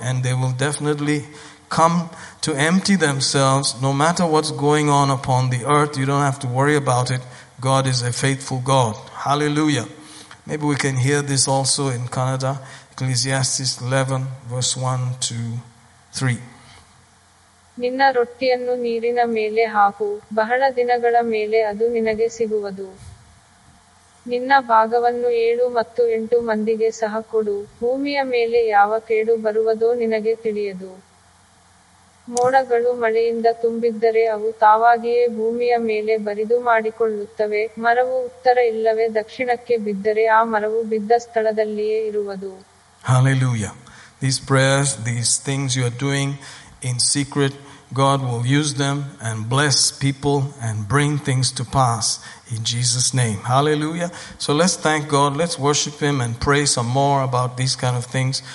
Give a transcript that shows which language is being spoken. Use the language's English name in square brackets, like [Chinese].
[English] And they will definitely come to empty themselves, no matter what's going on upon the earth. You don't have to worry about it. God is a faithful God. Hallelujah. Maybe we can hear this also in Kannada. Ecclesiastes 11, verse 1, 2, 3. [Kannada] ನಿನ್ನ ರೊಟ್ಟಿಯನ್ನು ನೀರಿನ ಮೇಲೆ ಹಾಕು, ಬಹಳ ದಿನಗಳ ಮೇಲೆ ಅದು ನಿನಗೆ ಸಿಗುವುದು. ನಿನ್ನ ಭಾಗವನ್ನು 7 ಮತ್ತು 8 ಮಂದಿಗೆ ಸಹ ಕೊಡು, ಭೂಮಿಯ ಮೇಲೆ ಯಾವ ಕೇಡು ಬರುವುದೋ ನಿನಗೆ ತಿಳಿಯದು. ಮೋಡಗಳು ಮಳೆಯಿಂದ ತುಂಬಿದ್ದರೆ ಅವು ತಾವಾಗಿಯೇ ಭೂಮಿಯ ಮೇಲೆ ಬರಿದು ಮಾಡಿಕೊಳ್ಳುತ್ತವೆ. ಮರವು ಉತ್ತರ ಇಲ್ಲವೇ ದಕ್ಷಿಣಕ್ಕೆ ಬಿದ್ದರೆ ಆ ಮರವು ಬಿದ್ದ ಸ್ಥಳದಲ್ಲಿಯೇ ಇರುವುದು. [English] Hallelujah. These prayers, these things you are doing in secret, God will use them and bless people and bring things to pass in Jesus' name. Hallelujah. So let's thank God. Let's worship Him and pray some more about these kind of things.